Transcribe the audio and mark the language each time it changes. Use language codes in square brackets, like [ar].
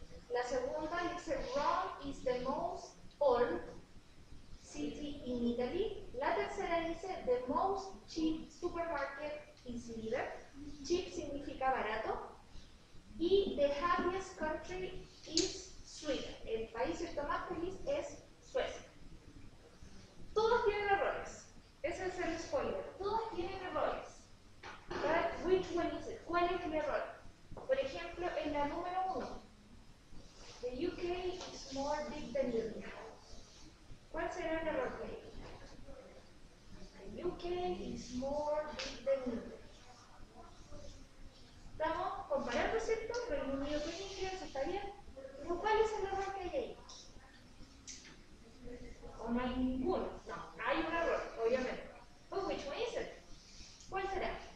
[es] La segunda dice, [en] Rome is the most old city in Italy. [es] La tercera dice, [en] the most cheap supermarket is Lidl. Cheap [es] significa barato. Y [en] the happiest country is Sweden. [es] El país que está más feliz es Suecia. Todos tienen errores. Ese es el spoiler. Todos tienen errores. [en] But which one is it? [es] ¿Cuál es el error? Por ejemplo, en la número uno. [en] The UK is more big than India. [es] ¿Cuál será el error? [en] The UK is more big than India. [es] Estamos comparando, ¿cierto? Reino Unido con India, eso está bien. ¿Pero cuál es el error que hay ahí? ¿O no hay ninguno? No, hay un error, obviamente. ¿Pues [en] which one is it? [es] ¿Cuál será?